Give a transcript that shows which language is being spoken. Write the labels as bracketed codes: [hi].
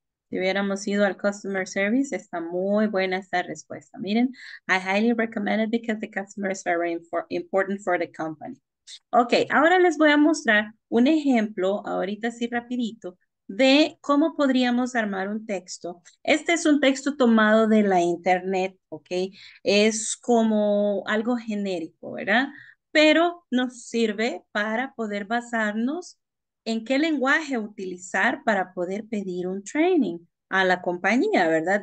[es] Si hubiéramos ido al customer service, está muy buena esta respuesta. [en] Miren, I highly recommend it because the customer is very important for the company. [es] Ok, ahora les voy a mostrar un ejemplo, ahorita así rapidito, de cómo podríamos armar un texto. Este es un texto tomado de la internet, ¿ok? Es como algo genérico, ¿verdad? Pero nos sirve para poder basarnos en qué lenguaje utilizar para poder pedir un training a la compañía, ¿verdad?